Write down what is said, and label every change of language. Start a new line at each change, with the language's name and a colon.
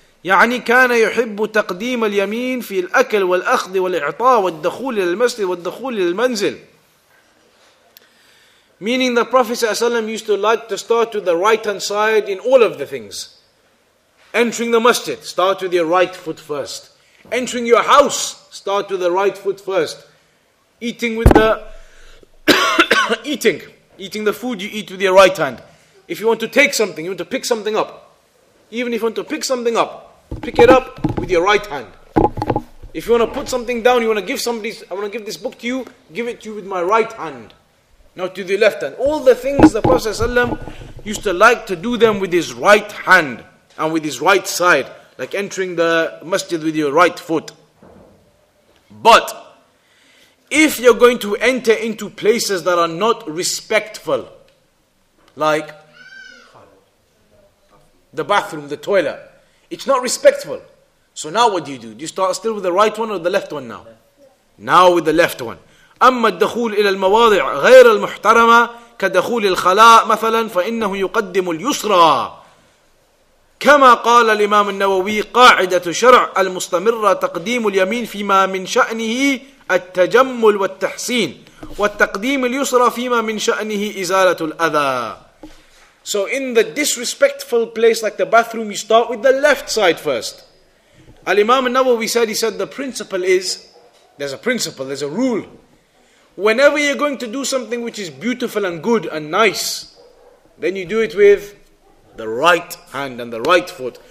Arabic: يعني كان يحب تقديم اليمين في الأكل والأخذ والإعطاء والدخول إلى المسجد والدخول إلى المنزل.
English: Meaning the Prophet ﷺ used to like to start with the right hand side in all of the things. Entering the masjid, start with your right foot first. Entering your house, start with the right foot first. Eating with the eating the food, you eat with your right hand. If you want to take something, you want to pick something up. Even if you want to pick something up, pick it up with your right hand. If you want to put something down, you want to give somebody, I want to give this book to you, give it to you with my right hand, not to the left hand. All the things the Prophet ﷺ used to like to do them with his right hand and with his right side, like entering the masjid with your right foot. But if you're going to enter into places that are not respectful, like the bathroom, the toilet, it's not respectful. So now what do? Do you start still with the right one or the left one now? Now with the left one.
Arabic: أما الدخول إلى المواضع غير المحترمة كدخول الخلاء مثلا فإنه يقدم اليسرى كما قال الإمام النووي قاعدة شرع المستمرة تقديم اليمين فيما من شأنه التجمل والتحسين والتقديم اليسرى فيما من شأنه إزالة الأذى.
English: So in the disrespectful place like the bathroom, you start with the left side first. Al-Imam al-Nawawi said, he said, the principle is, there's a principle, there's a rule. Whenever you're going to do something which is beautiful and good and nice, then you do it with the right hand and the right foot.